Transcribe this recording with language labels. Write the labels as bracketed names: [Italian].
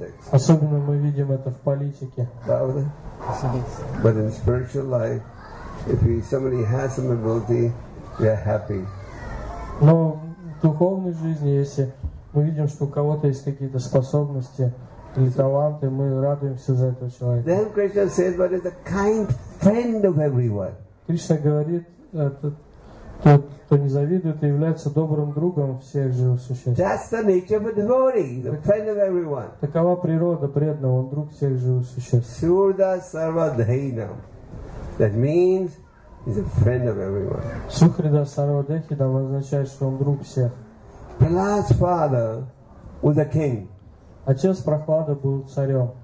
[Russian] Особенно мы видим это в политике. [English] But in spiritual life, if somebody has some ability, we are happy. [Russian] Но в духовной жизни, если мы видим, что у кого-то есть какие-то способности или таланты, мы радуемся за этого человека. [English] Then Krishna says, but it's a kind friend of everyone. [Russian] Кришна говорит, тот, кто не завидует, является добрым другом всех живых существ. [English] That's the nature of a devotee, the friend of everyone. [Russian] Такова природа преданного, он друг всех живых существ. [Sanskrit] Surda sarvadhinam. [English] That means he's a friend of everyone. [Sanskrit] Сухрида сарвадхинам [Russian] означает, что он друг всех. [English] Prahlad's father was a king. [Russian] Отец Прохлада был царем.